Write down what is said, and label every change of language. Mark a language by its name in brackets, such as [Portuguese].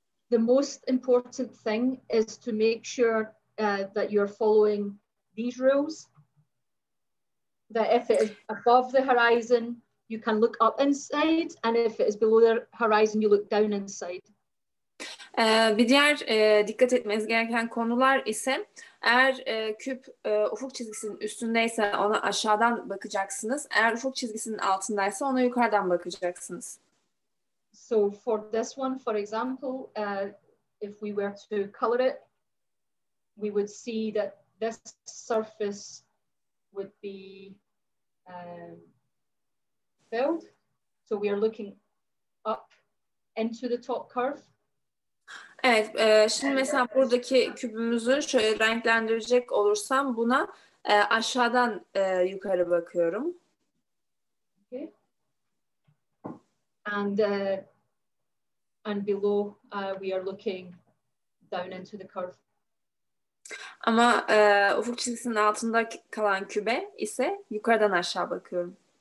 [English] The most important thing is to make sure that you're following these rules. That if it is above the horizon, you can look up inside, and if it is below the horizon, you look down inside. [Turkish] Bir diğer dikkat etmeniz gereken konular ise eğer küp ufuk çizgisinin üstündeyse ona aşağıdan bakacaksınız. Eğer ufuk çizgisinin altındaysa ona yukarıdan bakacaksınız. [English] So for this one, for example, if we were to color it, we would see that this surface would be filled. So we are looking up into the top curve. [Turkish] Evet, şimdi mesela buradaki kübümüzü şöyle renklendirecek olursam buna aşağıdan yukarı bakıyorum. [English] Okay. And below we are looking down into the curve. [Turkish] Ama ufuk çizgisinin altında kalan kübe ise yukarıdan aşağı bakıyorum.